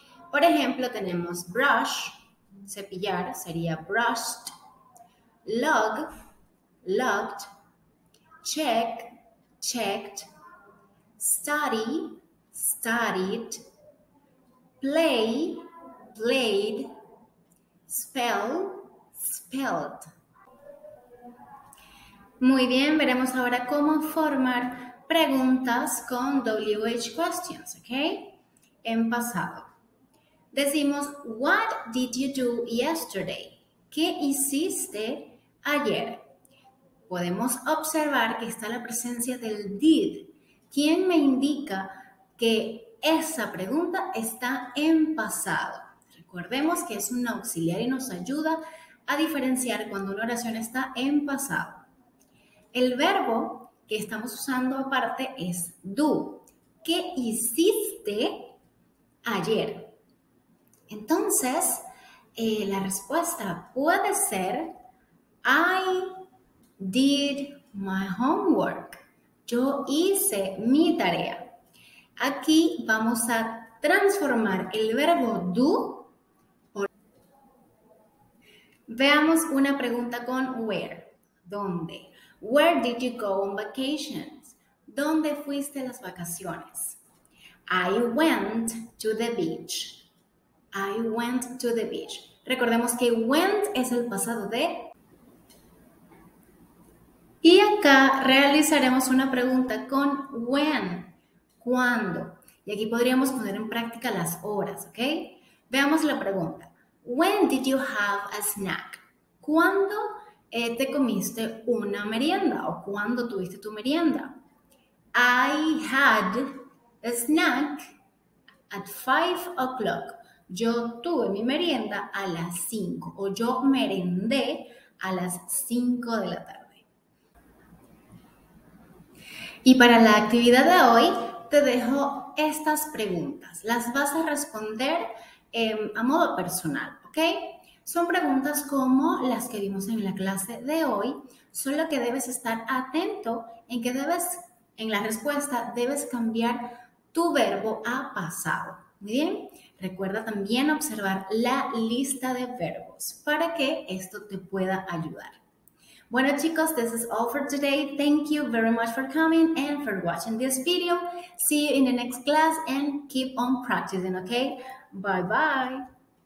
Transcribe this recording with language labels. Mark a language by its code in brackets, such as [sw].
[es] Por ejemplo, tenemos brush, cepillar, sería brushed, log, logged, check, checked, study, studied, play, played, spell, spelled. Muy bien, veremos ahora cómo formar preguntas con WH questions, ¿ok? En pasado. Decimos, [en] what did you do yesterday? [es] ¿Qué hiciste ayer? Podemos observar que está la presencia del did. ¿Quién me indica que esa pregunta está en pasado? Recordemos que es un auxiliar y nos ayuda a diferenciar cuando una oración está en pasado. El verbo que estamos usando aparte es do. ¿Qué hiciste ayer? Entonces, la respuesta puede ser [en] I did my homework. [es] Yo hice mi tarea. Aquí vamos a transformar el verbo do por Veamos una pregunta con where. ¿Dónde? [en] Where did you go on vacations? [es] ¿Dónde fuiste las vacaciones? [en] I went to the beach. I went to the beach. [es] Recordemos que went es el pasado de. Y acá realizaremos una pregunta con when. ¿Cuándo? Y aquí podríamos poner en práctica las horas, ¿ok? Veamos la pregunta. [en] When did you have a snack? [es] ¿Cuándo te comiste una merienda o cuándo tuviste tu merienda? [en] I had a snack at 5 o'clock. [es] Yo tuve mi merienda a las 5 o yo merendé a las 5 de la tarde. Y para la actividad de hoy te dejo estas preguntas. Las vas a responder a modo personal, ¿ok? Son preguntas como las que vimos en la clase de hoy, solo que debes estar atento en que debes, en la respuesta, debes cambiar tu verbo a pasado. Muy bien, recuerda también observar la lista de verbos para que esto te pueda ayudar. Bueno chicos, [en] this is all for today. Thank you very much for coming and for watching this video. See you in the next class and keep on practicing, okay? Bye bye.